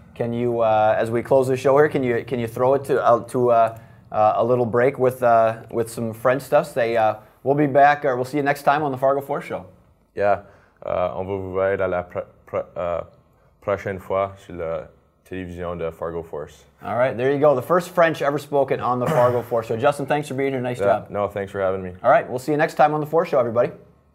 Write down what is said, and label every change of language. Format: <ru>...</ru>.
<en>Can you, as we close the show here, can you throw it to a little break with some French stuff? Say, we'll be back, or we'll see you next time on the Fargo Force Show.</en> <fr>Yeah, on va vous voir à la prochaine fois sur la télévision de Fargo Force.</fr> <en>All right, there you go. The first French ever spoken on the Fargo Force Show. Justin, thanks for being here. Nice job. No, thanks for having me. All right, we'll see you next time on the Force Show, everybody.</en>